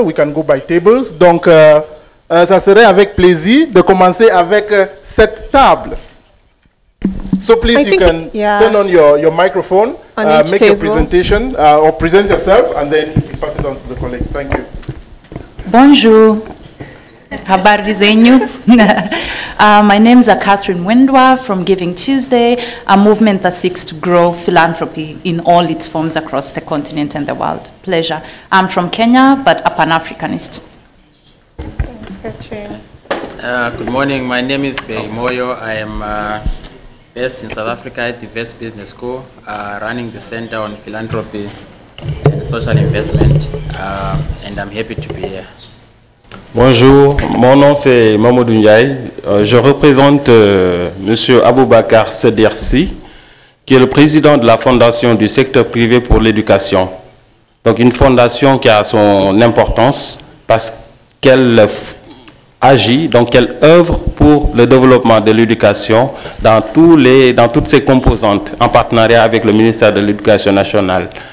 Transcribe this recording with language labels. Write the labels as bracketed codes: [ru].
[en] We can go by tables. [fr] Donc, ça serait avec plaisir de commencer avec cette table. [en] So please, turn on your microphone, make table. A presentation, or present yourself, and then you pass it on to the colleague. Thank you. [fr] Bonjour. [sw] Habari zenyu. [en] My name is Catherine Wendwa from Giving Tuesday, a movement that seeks to grow philanthropy in all its forms across the continent and the world. Pleasure. I'm from Kenya, but a Pan-Africanist. Thanks, Catherine. Good morning. My name is Bey Moyo. I am based in South Africa at the Vest Business School, running the Center on Philanthropy and Social Investment, and I'm happy to be here. [fr] Bonjour, mon nom c'est Mamadou Ndiaye. Je représente Monsieur Aboubakar Sedersi, qui est le président de la Fondation du secteur privé pour l'éducation. Donc une fondation qui a son importance parce qu'elle agit, donc elle œuvre pour le développement de l'éducation dans toutes ses composantes, en partenariat avec le ministère de l'Éducation nationale.